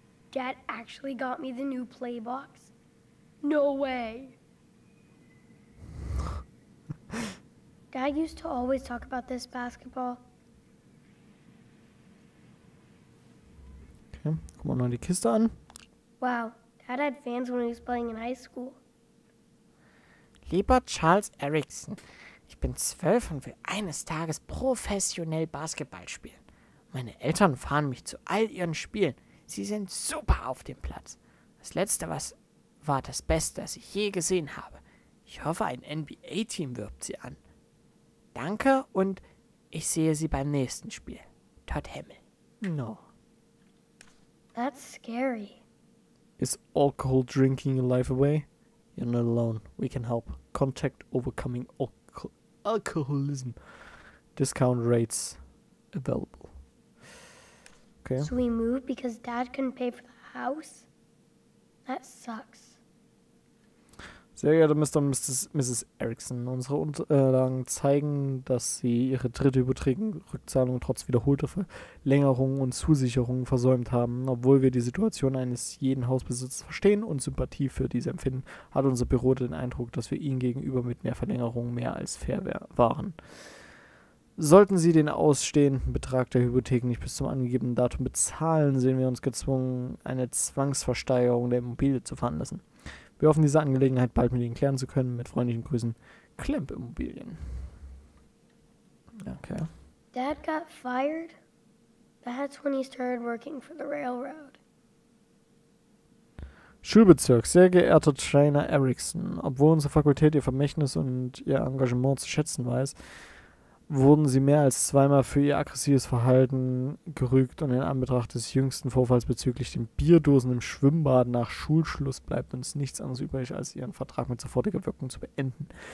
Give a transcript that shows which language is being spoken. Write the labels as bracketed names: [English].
[English] Dad actually got me the new play box? No way. Dad used to always talk about this basketball. [German] Okay, guck mal noch die Kiste an. [English] Wow, Dad had fans when he was playing in high school. [German] Lieber Charles Erickson, ich bin 12 und will eines Tages professionell Basketball spielen. Meine Eltern fahren mich zu all ihren Spielen. Sie sind super auf dem Platz. Das Letzte war das Beste, das ich je gesehen habe. Ich hoffe, ein NBA-Team wirbt sie an. Danke und ich sehe sie beim nächsten Spiel. Todd Hemmel. [English] No. That's scary. Is alcohol drinking your life away? You're not alone. We can help. Contact overcoming alcoholism. Discount rates available. Okay. So we moved because Dad couldn't pay for the house? That sucks. [German] Sehr geehrte Mr. und Mrs. Erickson, unsere Unterlagen zeigen, dass Sie Ihre dritte Hypothekenrückzahlung trotz wiederholter Verlängerungen und Zusicherungen versäumt haben. Obwohl wir die Situation eines jeden Hausbesitzers verstehen und Sympathie für diese empfinden, hat unser Büro den Eindruck, dass wir Ihnen gegenüber mit mehr Verlängerungen mehr als fair waren. Sollten Sie den ausstehenden Betrag der Hypotheken nicht bis zum angegebenen Datum bezahlen, sehen wir uns gezwungen, eine Zwangsversteigerung der Immobilie zu veranlassen. Wir hoffen, diese Angelegenheit bald mit Ihnen klären zu können. Mit freundlichen Grüßen, Klemp Immobilien. [English] Okay. Dad got fired? That's when he started working for the railroad. [German] Schulbezirk, sehr geehrter Trainer Erickson, obwohl unsere Fakultät Ihr Vermächtnis und Ihr Engagement zu schätzen weiß, wurden Sie mehr als zweimal für Ihr aggressives Verhalten gerügt und in Anbetracht des jüngsten Vorfalls bezüglich den Bierdosen im Schwimmbad nach Schulschluss bleibt uns nichts anderes übrig, als Ihren Vertrag mit sofortiger Wirkung zu beenden.